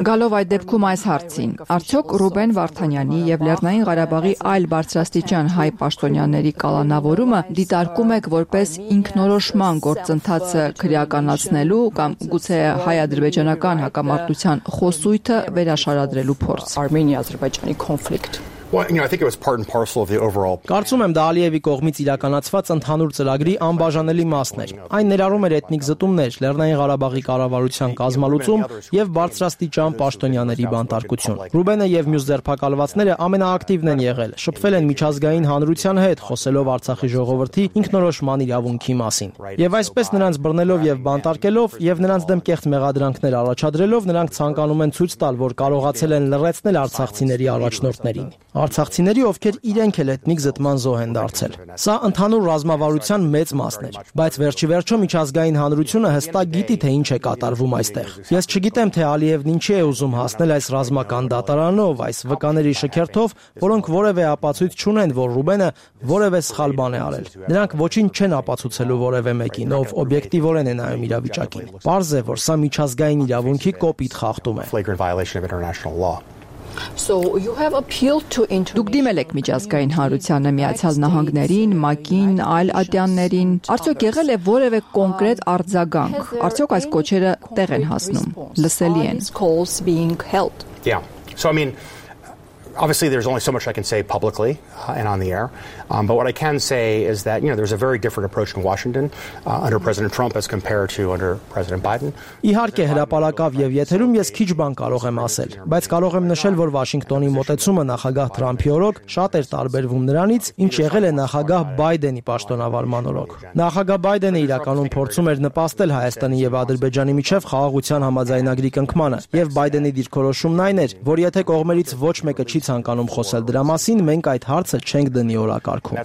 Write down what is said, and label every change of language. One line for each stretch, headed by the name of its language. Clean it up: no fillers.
Armenian: Գալով այդ դեպքում այս հարցին, արդյոք Ռուբեն Վարդանյանի եւ Լեռնային Ղարաբաղի այլ բարձրաստիճան հայ պաշտոնյաների կալանավորումը դիտարկում եք որպես ինքնորոշման գործընթացը քրեականացնելու կամ գուցե հայ-ադրբեջանական հակամարտության խոսույթը վերաշարադրելու փորձ?
English: Armenia-Azerbaijani conflict. Well, you know, I think it was part and parcel of the overall.
Armenian: Կարծում եմ, դա Ալիևի կողմից իրականացված ընդհանուր ծրագրի անբաժանելի մասն էր։ Այն ներառում էր էթնիկ զտումներ, Լեռնային Ղարաբաղի կառավարության կազմալուծում եւ բարձրաստիճան պաշտոնյաների բանտարկություն։ Ռուբենը եւ մյուս ձերբակալվածները ամենաակտիվն են եղել, շփվել են միջազգային հանրության հետ, խոսելով Արցախի ժողովրդի ինքնորոշման իրավունքի մասին։ Եվ այսպես նրանց բռնելով եւ բանտարկելով եւ նրանց դեմ կեղծ մեղադրանքներ առաջադրելով, նրանք ցանկանում են ցույց տալ, որ կարողացել են լրացնել արցախցիների առաջնորդներին։ Արցախցիների, ովքեր իրենք էլ էթնիկ զտման զոհ են դարձել։ Սա ընդհանուր ռազմավարության մեծ մասն էր, բայց վերջիվերջո միջազգային հանրությունը հստակ գիտի, թե ինչ է կատարվում այստեղ։ Ես չգիտեմ, թե Ալիևն ինչի է ուզում հասնել այս ռազմական դատարանով, այս վկաների շքերթով, որոնք որևէ ապացույց չունեն, որ Ռուբենը որևէ սխալ բան է արել։ Նրանք ոչինչ չեն ապացուցելու որևէ մեկին, ով օբյեկտիվորեն է նայում իրավիճակին։ Պարզ է, որ սա միջազգային իրավունքի կոպիտ խախտում է։
English: So you have appealed to international.
Armenian: Դուք դիմել եք միջազգային հանրությանը, Միացյալ Նահանգներին, ՄԱԿ-ին, այլ ատյաններին։ Արդյոք եղել է որևէ կոնկրետ արձագանք? Արդյոք այս կոչերը տեղ են հասնում, լսելի են?
English: Yeah. So I mean, obviously there's only so much I can say publicly and on the air. But what I can say is that, you know, there's a very different approach in Washington under President Trump as compared to under President Biden.
Armenian: Իհարկե հրապարակավ եւ եթերում ես քիչ բան կարող եմ ասել, բայց կարող եմ նշել, որ Վաշինգտոնի մոտեցումը նախագահ Թրամփի օրոք շատ էր տարբերվում նրանից, ինչ եղել է նախագահ Բայդենի պաշտոնավարման օրոք։ Նախագահ Բայդենը իրականում փորձում էր նպաստել Հայաստանի եւ Ադրբեջանի միջև խաղաղության համաձայնագրի կնքմանը, եւ Բայդենի դիրքորոշումն այն էր, որ եթե կողմերից ոչ մեկը չի ցանկանում խոսել դրա մասին, մենք այդ հարցը չենք դնի օրակարգ։